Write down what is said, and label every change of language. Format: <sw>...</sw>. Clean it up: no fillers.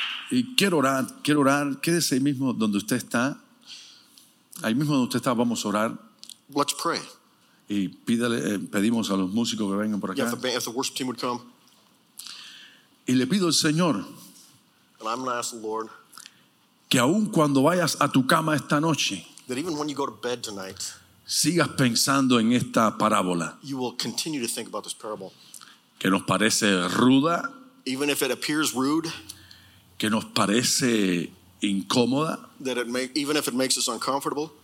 <es>Y quiero orar, quédese ahí mismo donde usted está. Ahí mismo donde usted está, vamos a orar.</es> <en>Let's pray.</en> <es>Y pedimos a los músicos que vengan por acá.</es> <en>If the worship team would come.</en> <es>Y le pido al Señor.</es> <en>And I'm going to ask the Lord.</en> <es>Que aun cuando vayas a tu cama esta noche,</es> <en>that even when you go to bed tonight,</en> <es>sigas pensando en esta parábola,</es> <en>you will continue to think about this parable,</en> <es>que nos parece ruda,</es> <en>even if it appears rude,</en> <es>que nos parece incómoda,</es> <en>even if it makes us uncomfortable,</en>